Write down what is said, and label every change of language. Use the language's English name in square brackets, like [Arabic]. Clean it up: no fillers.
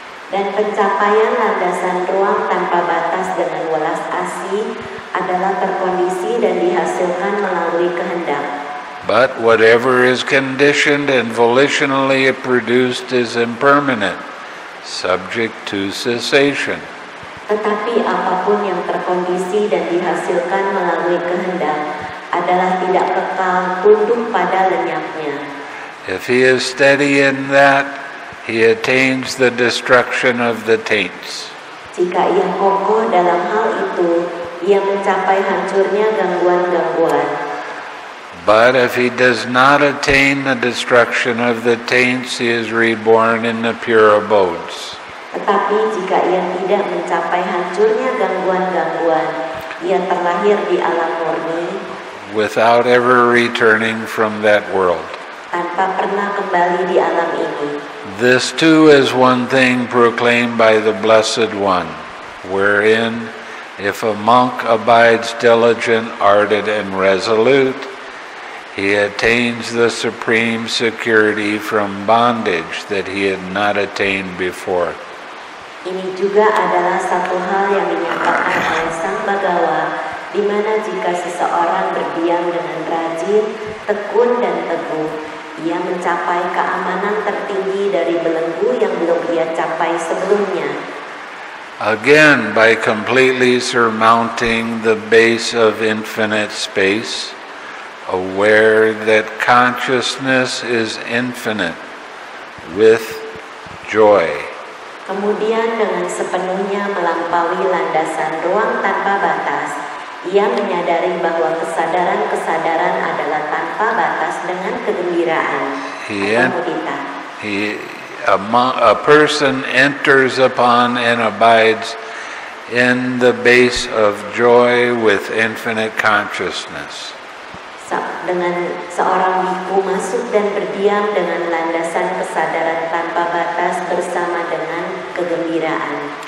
[Indonesian] Dan pencapaian landasan ruang tanpa batas dengan welas asih adalah terkondisi dan dihasilkan melalui kehendak. [English] But whatever is conditioned and volitionally produced is impermanent, subject to cessation. [Indonesian] Tetapi apapun yang terkondisi dan dihasilkan melalui kehendak adalah tidak kekal, tunduk pada lenyapnya. [English] If he is steady in that, he attains the destruction of the taints. [Indonesian] Jika ia kokoh dalam hal itu, ia mencapai hancurnya gangguan-gangguan. [English] But if he does not attain the destruction of the taints, he is reborn in the pure abodes. [Indonesian] Tetapi jika ia tidak mencapai hancurnya gangguan-gangguan, ia terlahir di alam murni. [English] Without ever returning from that world. [Indonesian] Tanpa pernah kembali di alam ini. [English] This too is one thing proclaimed by the Blessed One, wherein if a monk abides diligent, ardent, and resolute, he attains the supreme security from bondage that he had not attained before. [Indonesian] Ini juga adalah satu hal yang dinyatakan oleh Sang Bhagawa, di mana jika seseorang berdiam dengan rajin, tekun dan teguh, ia mencapai keamanan tertinggi dari belenggu yang belum ia capai sebelumnya. [English] Again, by completely surmounting the base of infinite space, aware that consciousness is infinite with joy. [Indonesian] Kemudian dengan sepenuhnya melampaui landasan ruang tanpa batas, ia menyadari bahwa kesadaran-kesadaran adalah tanpa batas dengan kegembiraan. [English] A person enters upon and abides in the base of joy with infinite consciousness. [Indonesian] Dengan seorang bhikkhu masuk dan berdiam dengan landasan kesadaran tanpa batas bersama dengan kegembiraan.